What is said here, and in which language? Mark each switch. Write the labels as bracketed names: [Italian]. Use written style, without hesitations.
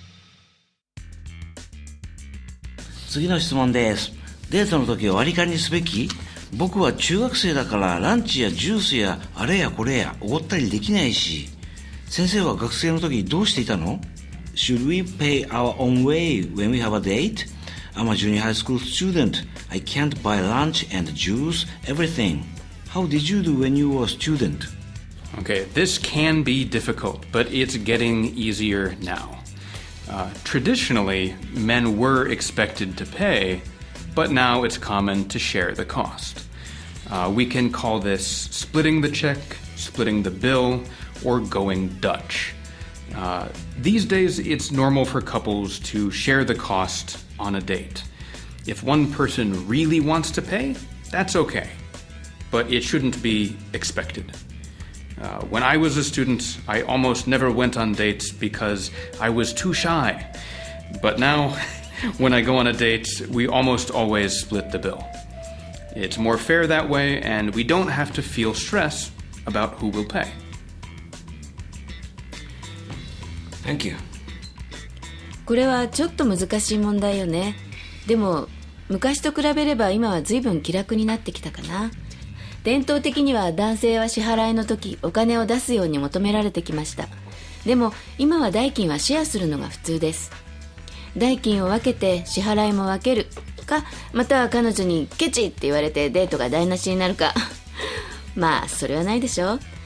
[Japanese] 4。次の質問です。デートの時は割り勘にすべき？僕は中学生だからランチやジュースやあれやこれやおごったりできないし。先生は学生の時どうしていたの？ [English] Should we pay our own way when we have a date? I'm a junior high school student. I can't buy lunch and juice, everything. How did you do when you were a student? Okay, this can be difficult, but it's getting easier now. Traditionally, men were expected to pay, but now it's common to share the cost. We can call this splitting the check, splitting the bill,or going Dutch. These days, it's normal for couples to share the cost on a date. If one person really wants to pay, that's okay. But it shouldn't be expected. When I was a student, I almost never went on dates because I was too shy. But now, when I go on a date, we almost always split the bill. It's more fair that way, and we don't have to feel stress about who will pay. Thank you. [Japanese] これはちょっと難しい問題よね。でも昔と比べれば今は随分気楽になってきたかな。伝統的には男性は支払いの時お金を出すように求められてきました。でも今は代金はシェアするのが普通です。代金を分けて支払いも分けるか、または彼女にケチって言われてデートが台無しになるかまあそれはないでしょう。